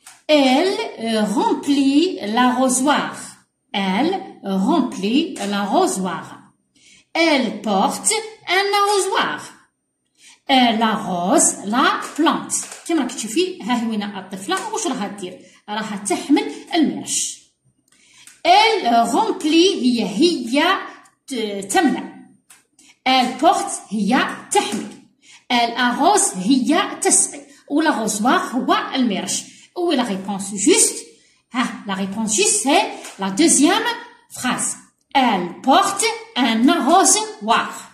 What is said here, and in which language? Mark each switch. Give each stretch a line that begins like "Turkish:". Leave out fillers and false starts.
French: ال رومبلي لا روزوار، elle remplit l'arrosoir، elle porte un arrosoir، elle arrose la plante.
Arabic: كما راكي تشوفي ها هي وين الطفله، واش راها دير؟ راها تحمل المرش.
French: elle remplit،
Arabic: هي تملا،
French: elle porte،
Arabic: هي تحمل،
French: elle arrose،
Arabic: هي تسقي، و
French: l'arrosoir
Arabic: هو المرش.
French: و la réponse juste، ها la réponse juste c'est la deuxième phrase، elle porte un arrosoir.